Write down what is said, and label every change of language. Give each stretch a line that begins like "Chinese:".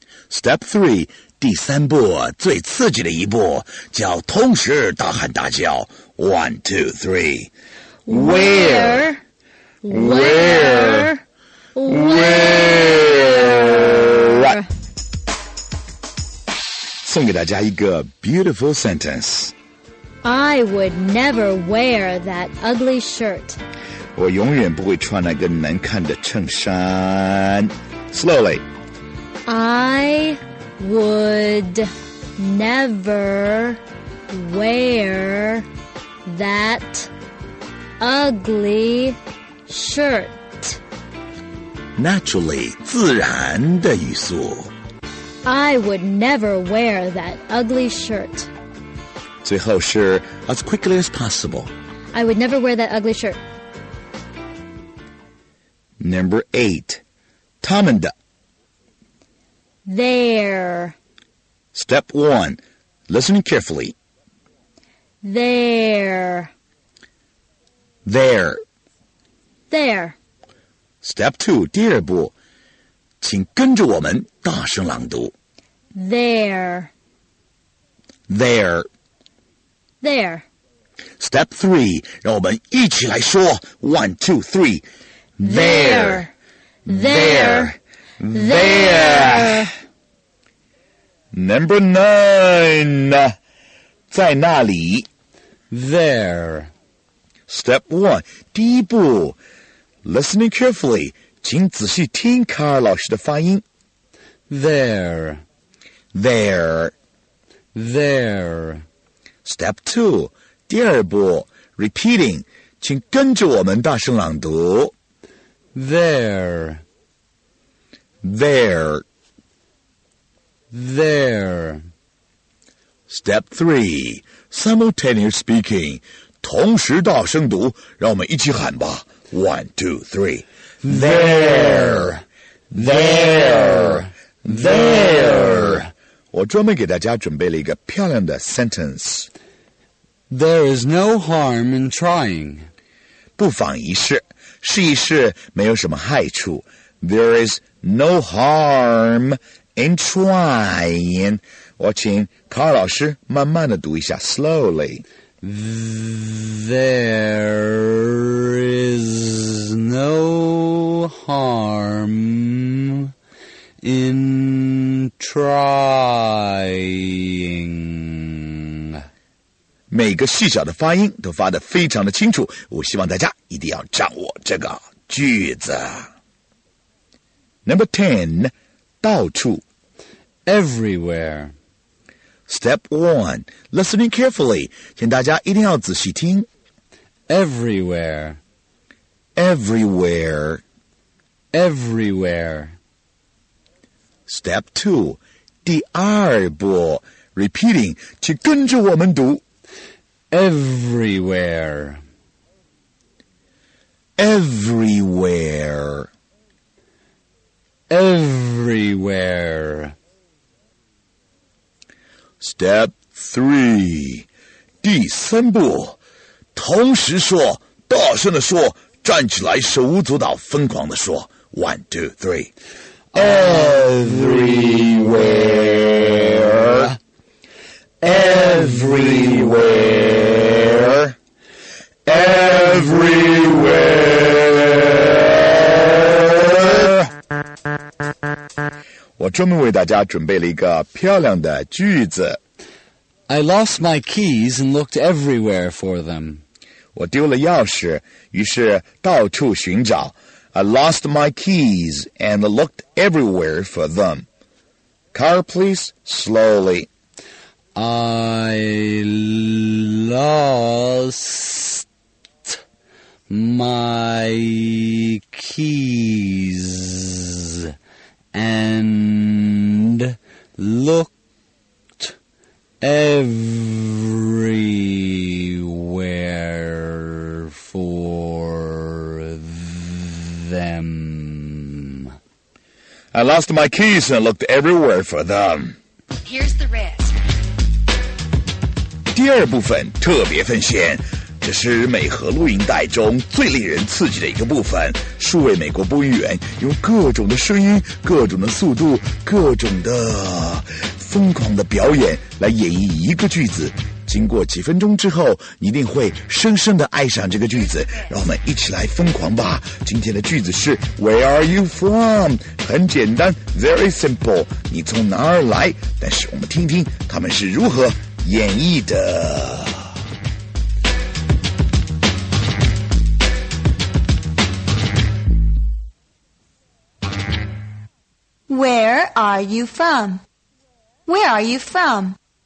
English: Step three,
Chinese: 第三步最刺激的一步，叫同时大喊大叫。
English: One, two, three. Where? Where? Where?
Chinese: 送给大家一个
English: beautiful sentence. I would never wear that ugly shirt.
Chinese: 我永远不会穿那个难看的衬衫。
English: Slowly. I would never wear that ugly shirt. Naturally,
Chinese: 自然的语速。
English: I would never wear that ugly shirt.
Chinese: 最后是
English: as quickly as possible. I would never wear that ugly shirt. Number eight,
Chinese: 他们的。
English: There. Step one. Listening carefully. There. There. There. Step two.
Chinese: 第二步，请跟着我们大声朗读。
English: There. There. There. Step three.
Chinese: 让我们一起来说。
English: One, two, three. There. There. There. There. There. Number nine,
Chinese: 在那里
English: There. Step one,
Chinese: 第一步
English: Listening carefully,
Chinese: 请仔细听卡尔老师的发音
English: There. There. There. Step two,
Chinese: 第二步
English: Repeating,
Chinese: 请跟着我们大声朗读
English: There. There. There. Step three, simultaneous speaking,
Chinese: 同时大声读，让我们一起喊吧。
English: One, two, three. There. There. There.
Chinese: 我专门给大家准备了一个漂亮的
English: sentence. There is no harm in trying.
Chinese: 不妨一试，试一试没有什么害处。
English: There is no harm. In trying,
Chinese: 我请卡尔老师慢慢地读一下
English: slowly. There is no harm in trying.
Chinese: 每个细小的发音都发得非常的清楚，我希望大家一定要掌握这个句子。
English: Number 10,
Chinese: 到处。
English: everywhere. Step 1. Listening carefully.
Chinese: 请大家一定要仔细听。
English: Everywhere. Everywhere. Everywhere. Step 2.
Chinese: 第二步。
English: Repeating.
Chinese: 请跟着我们读。
English: Everywhere. Everywhere. Everywhere. Step 3,
Chinese: 第三步，同时说，大声地说，站起来，手舞足蹈，疯狂地说 ,
English: 1, 2, 3, everywhere, everywhere, everywhere.
Chinese: 我专门为大家准备了一个漂亮的句子。
English: I lost my keys and looked everywhere for them.
Chinese: 我丢了钥匙，于是到处寻找。
English: I lost my keys and looked everywhere for them. Car, please, slowly. I lost my keys and lookedEverywhere for them. I lost my keys and looked everywhere for them. Here's the rest.
Chinese: 第二部分特别奉献，这是美和录音带中最令人刺激的一个部分。数位美国播音员用各种的声音、各种的速度、各种的。疯狂的表演来演绎一个句子，经过几分钟之后，你一定会深深地爱上这个句子。让我们一起来疯狂吧！今天的句子是
English: Where are you from?
Chinese: 很简单 ，
English: very simple。
Chinese: 你从哪儿来？但是我们听听他们是如何演绎的。
English: Where are you from? Where are you from?